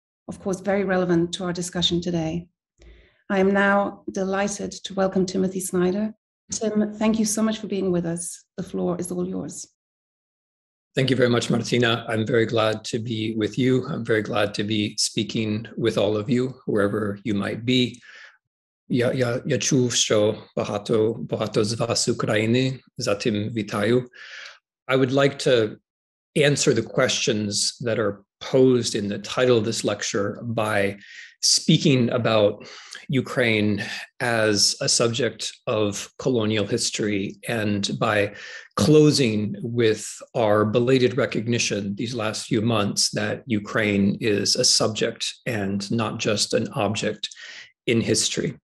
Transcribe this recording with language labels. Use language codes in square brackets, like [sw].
[en] Of course, very relevant to our discussion today. I am now delighted to welcome Timothy Snyder. Tim, thank you so much for being with us. The floor is all yours. Thank you very much, Martina. I'm very glad to be with you. I'm very glad to be speaking with all of you, wherever you might be. [uk] Я чув, що багато з вас України, затим вітаю. [en] I would like to answer the questions that are posed in the title of this lecture by speaking about Ukraine as a subject of colonial history and by closing with our belated recognition these last few months that Ukraine is a subject and not just an object in history.